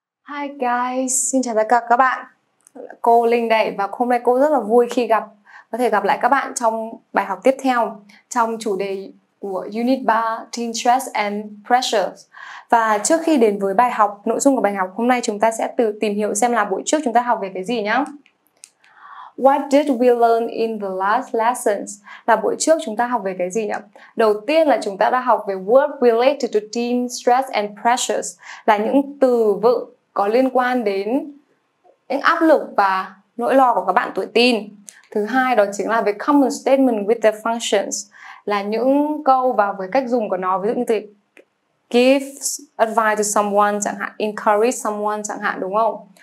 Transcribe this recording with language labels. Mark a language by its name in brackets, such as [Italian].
[English] Hi guys, [Vietnamese] xin chào tất cả các bạn. Cô Linh đây, và hôm nay cô rất là vui khi gặp có thể gặp lại các bạn trong bài học tiếp theo trong chủ đề của Unit 3 Teen Stress and Pressures. Và trước khi đến với bài học, nội dung của bài học hôm nay, chúng ta sẽ tự tìm hiểu xem là buổi trước chúng ta học về cái gì nhá. [English] What did we learn in the last lessons? [Vietnamese] Là buổi trước chúng ta học về cái gì nhỉ? Đầu tiên là chúng ta đã học về [English] word related to teen stress and pressures, [Vietnamese] là những từ vựng có liên quan đến những áp lực và nỗi lo của các bạn tuổi teen. Thứ hai đó chính là về [English] common statement with their functions, [Vietnamese] là những câu và với cách dùng của nó, ví dụ như từ [English] give advice to someone [Vietnamese] chẳng hạn, [English] encourage someone [Vietnamese] chẳng hạn, đúng không?